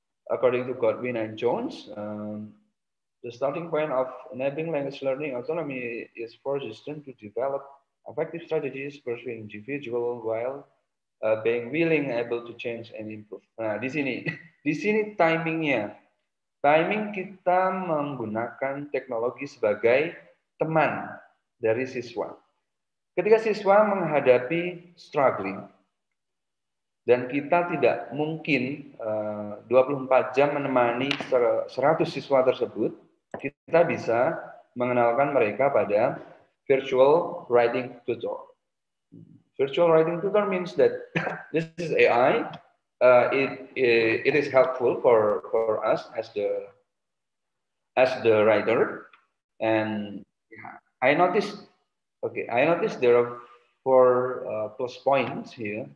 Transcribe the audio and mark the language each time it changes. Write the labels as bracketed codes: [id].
[en] According to Godwin and Jones, the starting point of enabling language learning autonomy is for the student to develop effective strategies pursuing individual while being willing able to change and improve. [id] Nah, di sini timingnya. Timing kita menggunakan teknologi sebagai teman dari siswa. Ketika siswa menghadapi struggling, dan kita tidak mungkin 24 jam menemani 100 siswa tersebut, kita bisa mengenalkan mereka pada virtual writing tutor. [en] Virtual writing tutor means that this is AI. It is helpful for us as the writer, and I noticed there are four plus points here.